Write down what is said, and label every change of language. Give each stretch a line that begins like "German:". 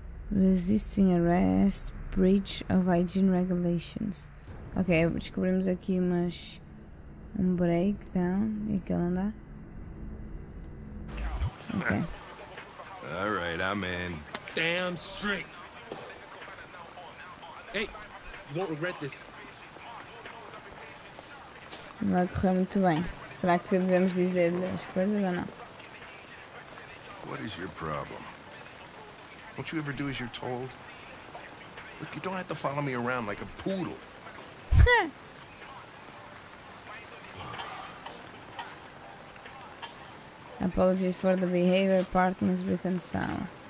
English: Resisting arrest, breach of hygiene regulations.
Portuguese: Ok, descobrimos aqui um breakdown. E aquele andar. Ok.
English: Alright, I'm in. Damn straight. Hey, you won't regret this.
Portuguese: Vai correr muito bem. Será que devemos dizer-lhe as coisas ou não?
English: What is your problem? Don't you ever do as you're told? Look, you don't have to follow me around like a poodle. Apologies for the behavior, partners reconcile.